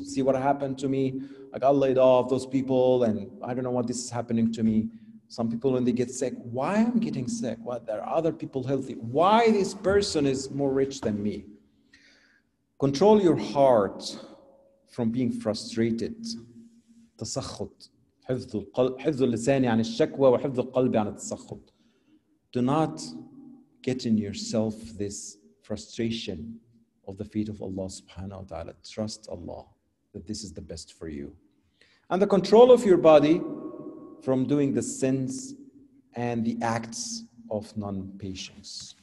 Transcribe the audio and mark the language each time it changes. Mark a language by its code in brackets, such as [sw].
[en] See what happened to me? I got laid off those people and I don't know what this is happening to me. Some people, when they get sick, why am I getting sick? Why there are other people healthy? Why this person is more rich than me? Control your heart from being frustrated. [ar] تسخط. حفظ اللسان عن الشكوى وحفظ القلب عن التسخط. [en] Do not get in yourself this frustration of the feet of Allah subhanahu wa ta'ala. Trust Allah that this is the best for you. And the control of your body from doing the sins and the acts of non-patience.